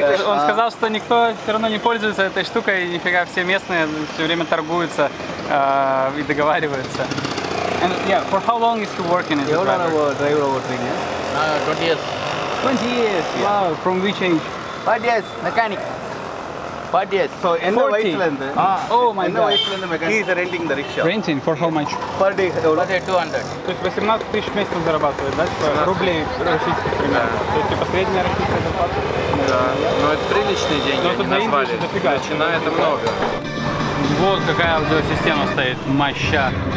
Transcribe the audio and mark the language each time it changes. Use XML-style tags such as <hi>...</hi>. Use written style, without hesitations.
<ru>он сказал, что никто все равно не пользуется этой штукой, нифига все местные все время торгуются и договариваются.</ru> <en>And yeah, for how long is he working as a driver? Driver over 20 years. 20 years. 20 years. Yeah. Wow, from which age? 5 years, mechanic. 5 years. So in the Iceland. Oh my god. In the Iceland mechanic. He is renting the rickshaw. Renting for how much? Per day. Per day 200.</en> <ru>То есть 18 тысяч в месяц он зарабатывает, да? Рублей российских примерно. То есть типа средняя российская зарплата. Да. Но это приличные деньги, они назвали. Но тут дофига. Начинает много. Вот какая аудиосистема стоит. Моща.</ru>